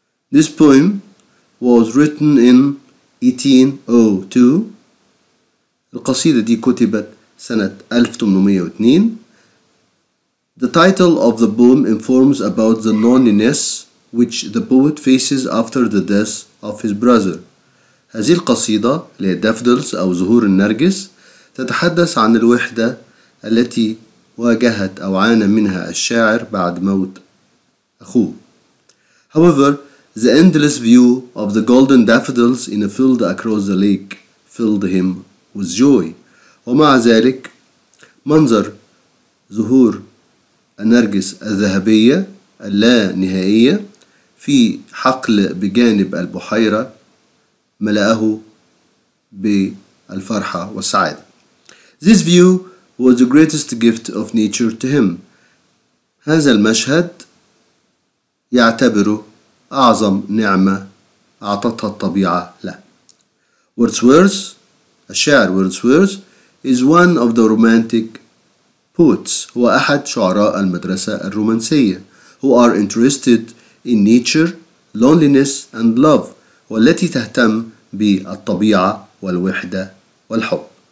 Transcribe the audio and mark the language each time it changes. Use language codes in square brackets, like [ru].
[en] This poem was written in 1802. [ar] القصيدة دي كتبت سنة 1802. [en] The title of the poem informs about the loneliness which the poet faces after the death of his brother. [ar] هذه القصيدة اللي هي Daffodils أو زهور النرجس تتحدث عن الوحدة التي واجهت أو عانى منها الشاعر بعد موت أخوه. [en] However, the endless view of the golden daffodils in a field across the lake filled him with joy. [ar] ومع ذلك منظر ظهور النرجس الذهبية اللانهائية في حقل بجانب البحيرة ملأه بالفرحة والسعادة. [en] This view was the greatest gift of nature to him. [ar] هذا المشهد يعتبره أعظم نعمة أعطتها الطبيعة له. [en] Wordsworth, [ar] الشاعر [en] Wordsworth, is one of the romantic poets. [ar] هو أحد شعراء المدرسة الرومانسية [en] who are interested in nature, loneliness and love, [ar] والتي تهتم بالطبيعة والوحدة والحب.